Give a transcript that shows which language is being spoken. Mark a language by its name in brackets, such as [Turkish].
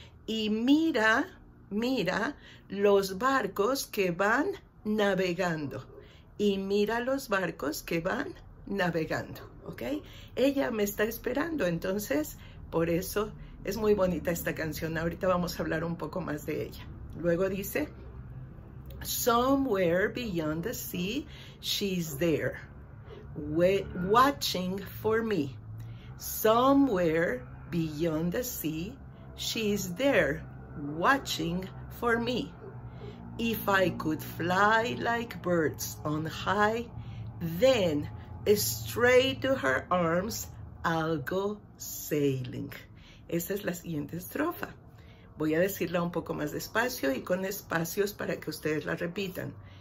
[Spanish] Y mira, mira los barcos que van navegando. Y mira los barcos que van navegando. Okay? Ella me está esperando. Entonces, por eso es muy bonita esta canción. Ahorita vamos a hablar un poco más de ella. Luego dice, [English] somewhere beyond the sea, she's there, watching for me. Somewhere beyond the sea, she is there watching for me. If I could fly like birds on high, then straight to her arms, I'll go sailing. [Spanish] Esa es la siguiente estrofa. Voy a decirla un poco más despacio y con espacios para que ustedes la repitan.